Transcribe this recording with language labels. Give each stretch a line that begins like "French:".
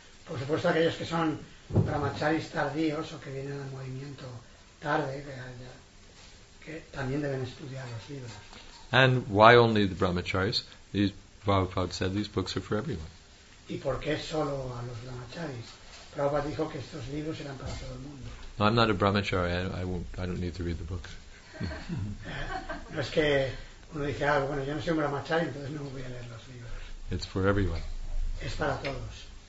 Spanish: Por supuesto, aquellos que son brahmacharis tardíos o que vienen al movimiento tarde, que también deben estudiar los libros.
English: And why only the brahmacharis? These, Prabhupada said these books are for everyone.
Spanish: ¿Y por qué solo a los brahmacharis? Prabhupada dijo que estos libros eran para todo el mundo.
English: No, I'm not a brahmacharya. I don't need to read the books.
Spanish: No es que uno dice, ah, bueno, yo no soy un brahmacharya, entonces no voy a leer los libros.
English: It's for everyone.
Spanish: Es para todos.